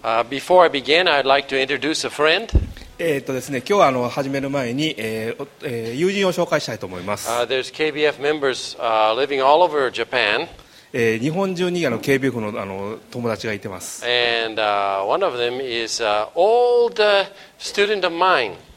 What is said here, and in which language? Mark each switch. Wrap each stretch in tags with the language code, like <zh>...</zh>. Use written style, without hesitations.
<en>Before I begin, I'd like to introduce a friend.</en> <ja>ですね、今日は始める前に、友人を紹介したいと思います。</ja> <en>There's KBF members living all over Japan.</en> <ja>日本中に KBF の、友達がいてます。</ja> <en>And one of them is an old student of mine.</en>